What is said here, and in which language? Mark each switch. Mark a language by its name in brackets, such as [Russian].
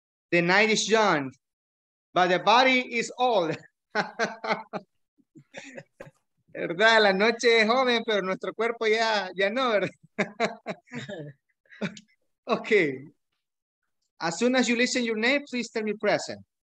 [English] The night is young, but the body is old. [Spanish] ¿Verdad? La noche es joven, pero nuestro cuerpo ya no, ¿verdad? [English] Okay. As soon as you listen your name, please tell me present.